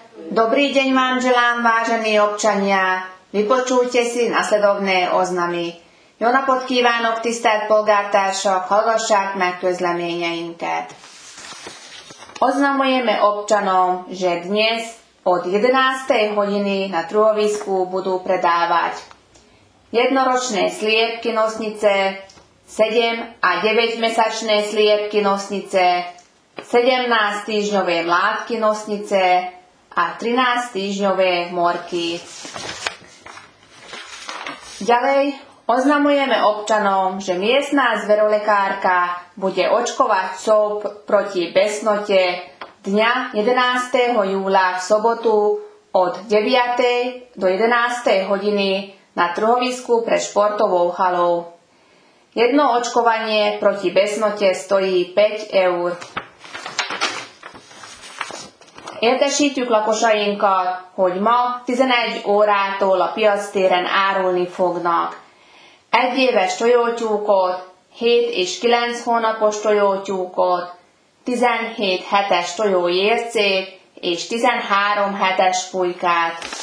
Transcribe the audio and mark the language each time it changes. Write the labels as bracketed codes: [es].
[sk] Dobrý deň vám želám, vážení občania. Vypočujte si nasledovné oznamy. [hu] Jona podkívánok tisztelt polgártársak, hallgassák meg közleményeinket. [sk] Oznamujeme občanom, že dnes od 11. hodiny na truhovisku budú predávať jednoročné sliepky nosnice, 7 a 9 mesačné sliepky nosnice, 17 týždňové mládky nosnice a 13 týždňové morky. Ďalej oznamujeme občanom, že miestná zverolekárka bude očkovať psov proti besnote dňa 11. júla v sobotu od 9. do 11. hodiny na truhovisku pred športovou halou. Jedno očkovanie proti besnote stojí 5 eur. [hu] Értesítjük lakosainkat, hogy ma 11 órától a piactéren árulni fognak. Egy éves tojótyúkot, 7 és 9 hónapos tojótyúkot, 17 hetes tojójércét és 13 hetes pulykát.